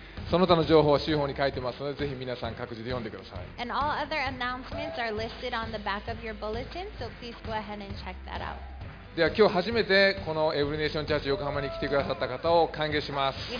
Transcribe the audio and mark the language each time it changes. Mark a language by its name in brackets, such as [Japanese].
[Japanese] その他の情報は週報に書いてますので、ぜひ皆さん各自で読んでください。 [English] And all other announcements are listed on the back of your bulletin, so please go ahead and check that out. [Japanese] では今日初めてこのエブリネーションチャーチ横浜に来てくださった方を歓迎します。